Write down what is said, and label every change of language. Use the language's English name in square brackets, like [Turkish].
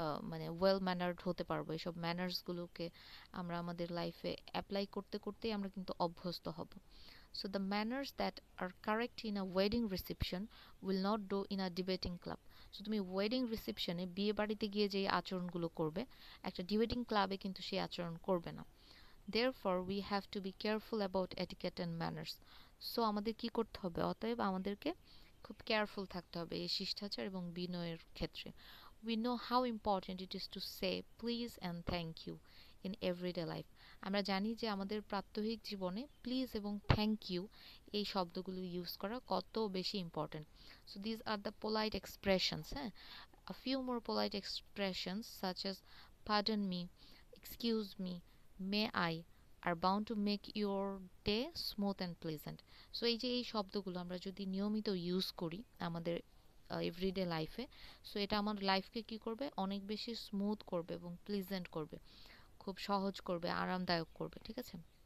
[Bangla] মানে ওয়েল ম্যানার্ড হতে পারবো এইসব ম্যানার্সগুলোকে আমরা আমাদের লাইফে অ্যাপ্লাই করতে করতেই আমরা কিন্তু অভ্যস্ত হব [English] so the manners that are correct in a wedding reception will not do in a debating club [Bangla] so তুমি ওয়েডিং রিসেপশনে বিয়ে বাড়িতে গিয়ে যেই আচরণগুলো করবে একটা ডিবেটিং ক্লাবে কিন্তু সেই আচরণ করবে না [English] Therefore, we have to be careful about etiquette and manners. [Bangla] So, আমাদের কি করতে হবে? অতএব আমাদেরকে খুব কেয়ারফুল থাকতে হবে এই শিষ্টাচার এবং বিনয়ের ক্ষেত্রে। [English] We know how important it is to say please and thank you in everyday life. [Bangla] আমরা জানি যে আমাদের প্রাত্যহিক জীবনে please এবং thank you এই শব্দগুলো ইউজ করা কত বেশি important. [English] So, these are the polite expressions. Eh? A few more polite expressions such as pardon me, excuse me, may I are bound to make your day smooth and pleasant [Bangla] so এই যে এই শব্দগুলো আমরা যদি নিয়মিত use করি আমাদের everyday লাইফে সো এটা আমার লাইফকে কী করবে অনেক বেশি স্মুথ করবে এবং প্লেজেন্ট করবে খুব সহজ করবে আরামদায়ক করবে ঠিক আছে